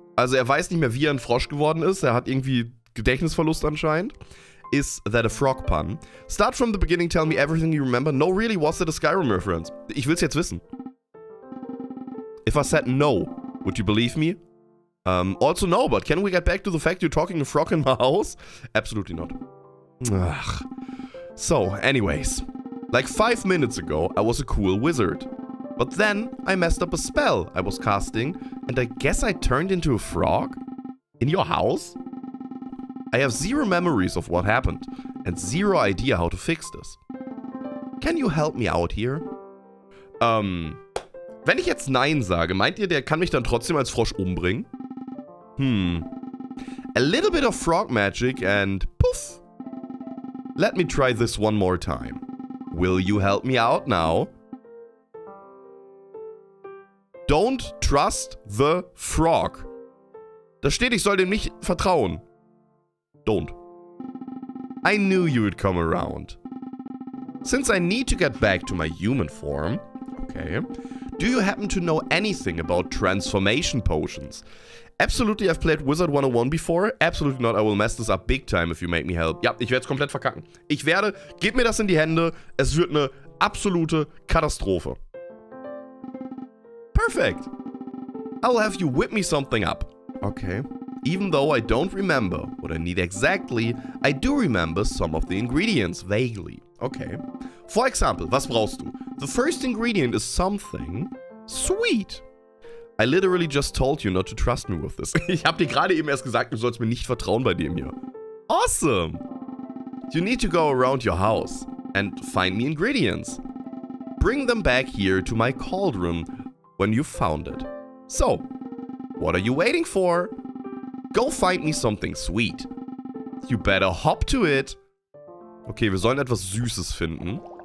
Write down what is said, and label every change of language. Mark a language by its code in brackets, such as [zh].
[de] Also er weiß nicht mehr, wie er ein Frosch geworden ist. Er hat irgendwie Gedächtnisverlust anscheinend. [en] Is that a frog pun? Start from the beginning, tell me everything you remember. No, really, was that a Skyrim reference? [de] Ich will's jetzt wissen. [en] If I said no, would you believe me? Also no, but can we get back to the fact you're talking a frog in my house? Absolutely not. Ugh. So, anyways. Like 5 minutes ago, I was a cool wizard. But then, I messed up a spell I was casting, and I guess I turned into a frog? In your house? I have zero memories of what happened, and zero idea how to fix this. Can you help me out here? [de] Wenn ich jetzt Nein sage, meint ihr, der kann mich dann trotzdem als Frosch umbringen? Hmm. [en] A little bit of frog magic and poof. Let me try this one more time. Will you help me out now? Don't trust the frog. [de] Da steht, ich soll dem nicht vertrauen. [en] Don't. I knew you would come around. Since I need to get back to my human form, okay, do you happen to know anything about transformation potions? Absolutely, I've played Wizard 101 before. Absolutely not, I will mess this up big time if you make me help. [de] Ja, ich werde es komplett verkacken. Ich werde, gib mir das in die Hände, es wird eine absolute Katastrophe. [en] Perfect. I'll have you whip me something up. Okay. Even though I don't remember what I need exactly, I do remember some of the ingredients vaguely. Okay. For example, [de] was brauchst du? [en] The first ingredient is something sweet. I literally just told you not to trust me with this. [de] Ich hab dir gerade eben erst gesagt, du sollst mir nicht vertrauen bei dem hier. [en] Awesome. You need to go around your house and find me ingredients. Bring them back here to my cauldron when you found it. So, what are you waiting for? Go find me something sweet. You better hop to it. [de] Okay, wir sollen etwas Süßes finden.